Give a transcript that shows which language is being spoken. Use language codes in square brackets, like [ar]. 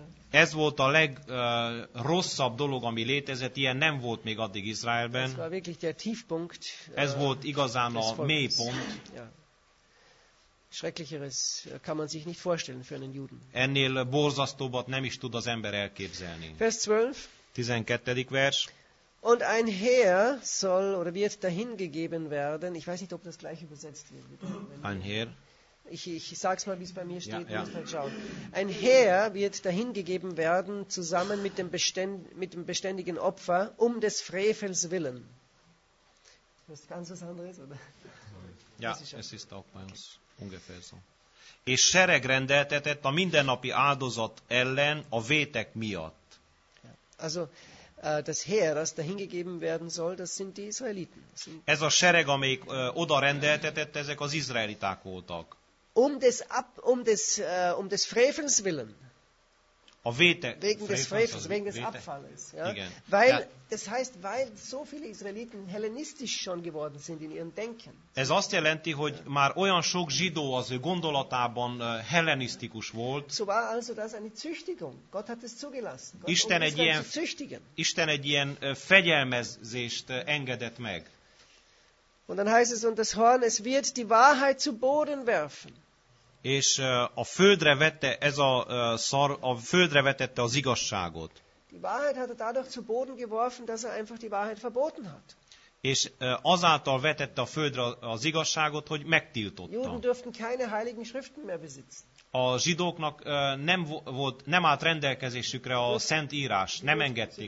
[hu] Ez volt a legrosszabb dolog, ami létezett. Ilyen nem volt még addig Izraelben. Ez volt igazán a mélypont. [de] Schrecklicheres kann man sich nicht vorstellen für einen Juden. [hu] Ennél borzasztóbbat nem is tud az ember elképzelni. [de] Vers 12. [hu] 12. vers. [de] Und ein Heer soll oder wird dahin gegeben werden. Ich weiß nicht, ob das gleich übersetzt wird. Ein Heer. Ich sag's mal, wie es bei mir steht. Ja, ja. Schauen. Ein Heer wird dahin gegeben werden, zusammen mit dem beständigen Opfer, um des Frevels willen. Das ist ganz was anderes, oder? Ja, es ist auch bei uns ungefähr so. [hu] És sereg rendeltetett a mindennapi áldozat ellen a vétek miatt. [de] Also, das Heer, das dahin gegeben werden soll, das sind die Israeliten. [hu] Ez a sereg, amelyik oda rendeltetett, ezek az izraeliták voltak. [de] Um des Frevels willen. [hu] A vétek. [de] Wegen des Abfalles. Ja? Igen. Weil so viele Israeliten hellenistisch schon geworden sind in ihrem Denken. [hu] Ez azt jelenti, hogy már olyan sok zsidó az ő gondolatában hellenisztikus volt. [de] So war also das eine Züchtigung. Gott hat es zugelassen. [hu] Isten egy ilyen fegyelmezést engedett meg. [de] Und dann heißt es, und das Horn, es wird die Wahrheit zu Boden werfen. [hu] És a földre vette ez a szar, a földre vetette az igazságot. [de] Die Wahrheit hat er dadurch zu Boden geworfen, dass er einfach die Wahrheit verboten hat. [hu] És azáltal vetette a földre az igazságot, hogy megtiltotta. [de] Juden durften keine heiligen Schriften mehr besitzen. [hu] A zsidóknak nem állt rendelkezésükre a szent írás, nem engedték neki.